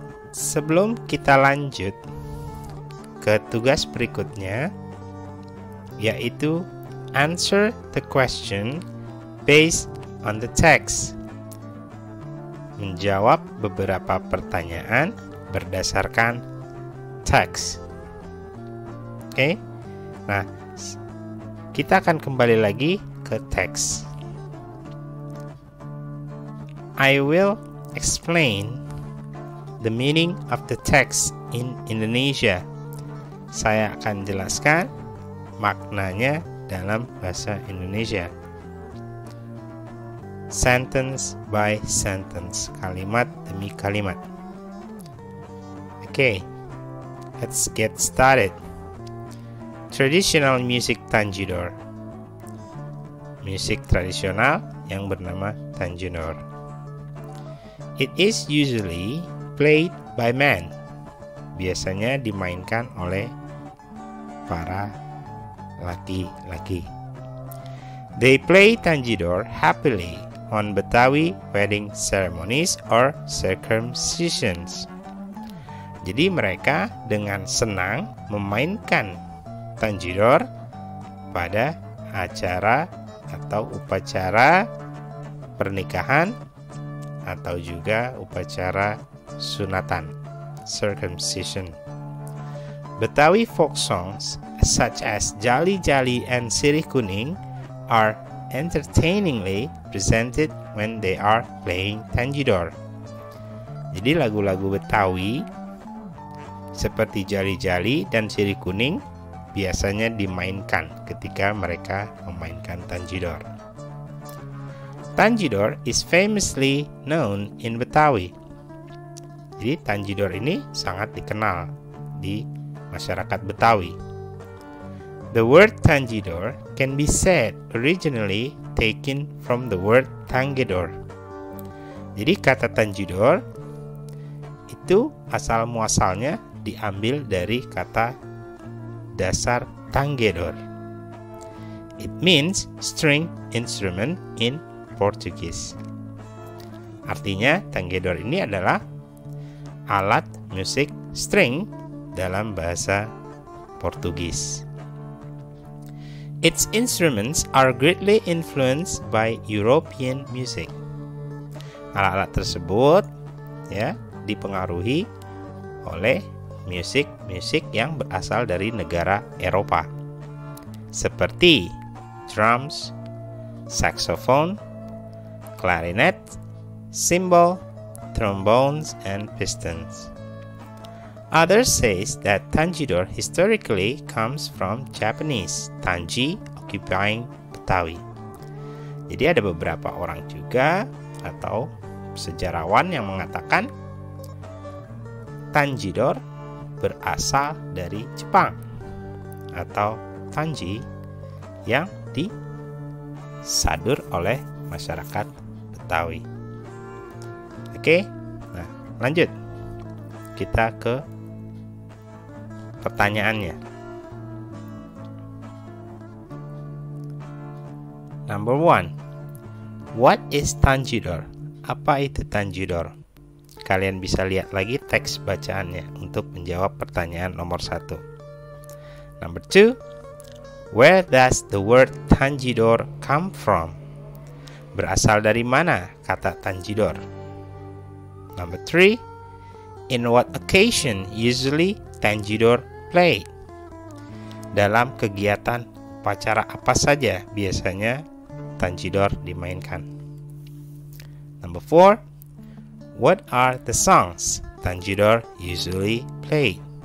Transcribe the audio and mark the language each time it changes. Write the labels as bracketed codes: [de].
[id] Sebelum kita lanjut ke tugas berikutnya, yaitu [en] answer the question based on the text. [id] Menjawab beberapa pertanyaan berdasarkan teks. Okay? Nah, kita akan kembali lagi ke teks. [en] I will explain the meaning of the text in Indonesia. [id] Saya akan jelaskan maknanya dalam bahasa Indonesia. [en] Sentence by sentence, [id] kalimat demi kalimat. [en] Okay, let's get started. Traditional music tanjidor. [id] Musik tradisional yang bernama tanjidor. [en] It is usually played by men. [id] Biasanya dimainkan oleh para laki-laki. [en] They play tanjidor happily on Betawi wedding ceremonies or circumcisions. [id] Jadi mereka dengan senang memainkan tanjidor pada acara atau upacara pernikahan atau juga upacara sunatan, circumcision. [en] Betawi folk songs such as Jali Jali and Sirih Kuning are entertainingly presented when they are playing tanjidor. [id] Jadi lagu-lagu Betawi seperti Jali Jali dan Sirih Kuning biasanya dimainkan ketika mereka memainkan tanjidor. [en] Tanjidor is famously known in Betawi. [id] Jadi Tanjidor ini sangat dikenal di masyarakat Betawi. [en] The word Tanjidor can be said originally taken from the word Tanggedor. [id] Jadi kata Tanjidor itu asal muasalnya diambil dari kata dasar Tanggedor. [en] It means string instrument in Portuguese. [id] Artinya Tanggedor ini adalah alat musik string dalam bahasa Portugis. [en] Its instruments are greatly influenced by European music. [id] Alat-alat tersebut ya dipengaruhi oleh musik-musik yang berasal dari negara Eropa. Seperti drums, saxophone, clarinet, cymbal, trombones, and pistons. [en] Others say that Tanjidor historically comes from Japanese, Tanji occupying Betawi. [id] Jadi ada beberapa orang juga atau sejarawan yang mengatakan Tanjidor berasal dari Jepang atau Tanji yang disadur oleh masyarakat Betawi. Oke, nah lanjut. Kita ke pertanyaannya. [en] Number one, what is Tanjidor? [id] Apa itu Tanjidor? Kalian bisa lihat lagi teks bacaannya untuk menjawab pertanyaan nomor satu. [en] Number two, where does the word Tanjidor come from? [id] Berasal dari mana kata Tanjidor? [en] Number three, in what occasion usually Tanjidor play? [id] Dalam kegiatan upacara apa saja biasanya Tanjidor dimainkan? [en] Number four, what are the songs Tanjidor usually play?